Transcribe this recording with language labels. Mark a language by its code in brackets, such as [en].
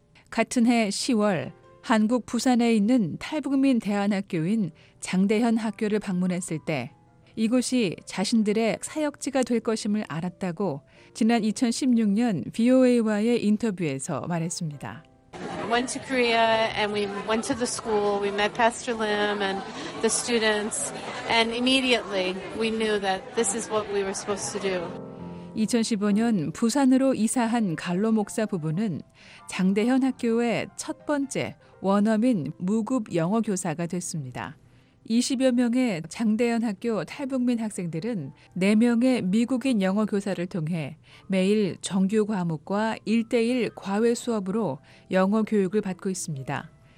[ko] 같은 해 10월 한국 부산에 있는 탈북민 대안학교인 장대현 학교를 방문했을 때 이곳이 자신들의 사역지가 될 것임을 알았다고 지난 2016년 VOA와의 인터뷰에서 말했습니다. [en] Went to Korea and we went to the school. We met Pastor Lim and the students and immediately we knew that this is what we were supposed to do. [ko] 2015년 부산으로 이사한 갈로 목사 부부는 장대현 학교의 첫 번째 원어민 무급 영어 교사가 됐습니다. 20여 명의 장대현 학교 탈북민 학생들은 4명의 미국인 영어 교사를 통해 매일 정규 과목과 1대1 과외 수업으로 영어 교육을 받고 있습니다.